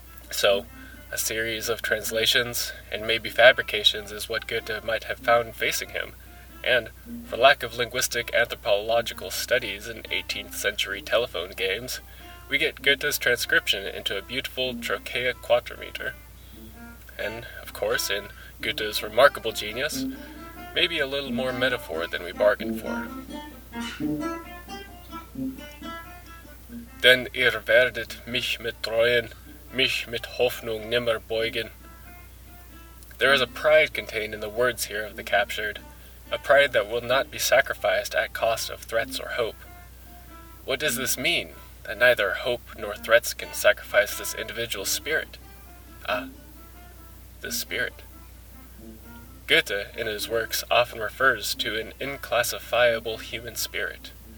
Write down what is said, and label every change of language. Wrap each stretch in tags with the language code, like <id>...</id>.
<en>So, a series of translations, and maybe fabrications, is what Goethe might have found facing him, and, for lack of linguistic anthropological studies in 18th century telephone games, we get Goethe's transcription into a beautiful trochaic quatrameter. And, of course, in Goethe's remarkable genius, maybe a little more metaphor than we bargained for.</en> <de>Denn ihr werdet mich mit Treuen, mich mit Hoffnung nimmer beugen.</de> <en>There is a pride contained in the words here of the captured, a pride that will not be sacrificed at cost of threats or hope. What does this mean? That neither hope nor threats can sacrifice this individual's spirit. Ah, the spirit. Goethe, in his works, often refers to an inclassifiable human spirit.</en>